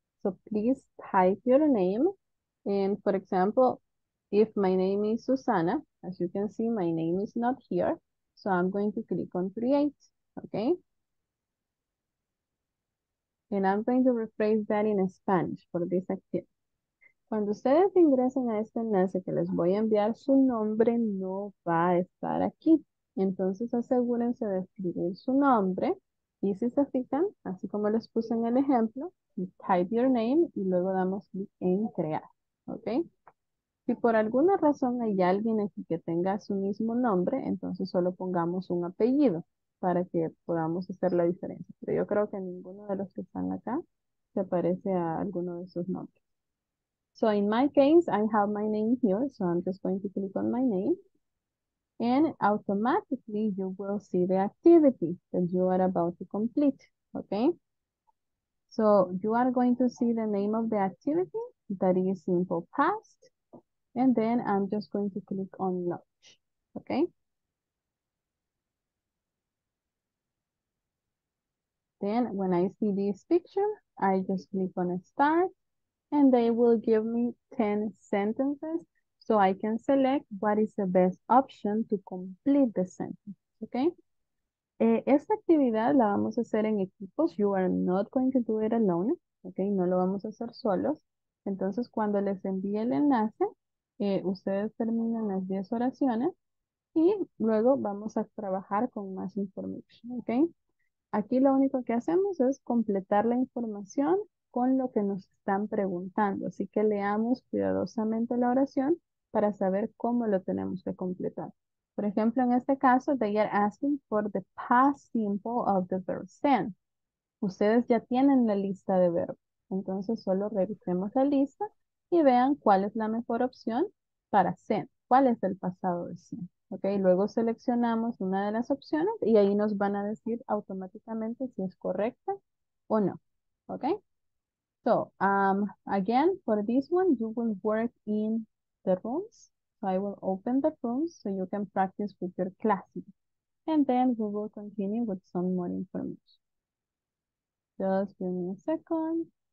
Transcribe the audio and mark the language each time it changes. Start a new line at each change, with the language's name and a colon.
English: So please type your name. And for example, if my name is Susana, as you can see, my name is not here. So I'm going to click on create, okay? And I'm going to rephrase that in Spanish for this activity.
Spanish: Cuando ustedes ingresen a este enlace que les voy a enviar, su nombre no va a estar aquí. Entonces asegúrense de escribir su nombre y si se fijan, así como les puse en el ejemplo,
English: type your name
Spanish: y luego damos clic en crear. ¿Okay? Si por alguna razón hay alguien aquí que tenga su mismo nombre, entonces solo pongamos un apellido para que podamos hacer la diferencia. Pero yo creo que ninguno de los que están acá se parece a alguno de sus nombres.
English: So in my case, I have my name here. So I'm just going to click on my name. And automatically you will see the activity that you are about to complete, okay? So you are going to see the name of the activity that is simple past. And then I'm just going to click on launch, okay? Then when I see this picture, I just click on start. And they will give me 10 sentences so I can select what is the best option to complete the sentence, okay?
Spanish: Esta actividad la vamos a hacer en equipos.
English: You are not going to do it alone, okay?
Spanish: No lo vamos a hacer solos. Entonces, cuando les envíe el enlace, ustedes terminan las 10 oraciones y luego vamos a trabajar con más información, okay? Aquí lo único que hacemos es completar la información con lo que nos están preguntando. Así que leamos cuidadosamente la oración para saber cómo lo tenemos que completar. Por ejemplo, en este caso,
English: they are asking for the past simple of the verb send.
Spanish: Ustedes ya tienen la lista de verbos. Entonces, solo revisemos la lista y vean cuál es la mejor opción para send. ¿Cuál es el pasado de send? ¿Okay? Luego seleccionamos una de las opciones y ahí nos van a decir automáticamente si es correcta o no. ¿Ok?
English: So, again, for this one, you will work in the rooms. So I will open the rooms so you can practice with your classmates. And then we will continue with some more information. Just give me a second.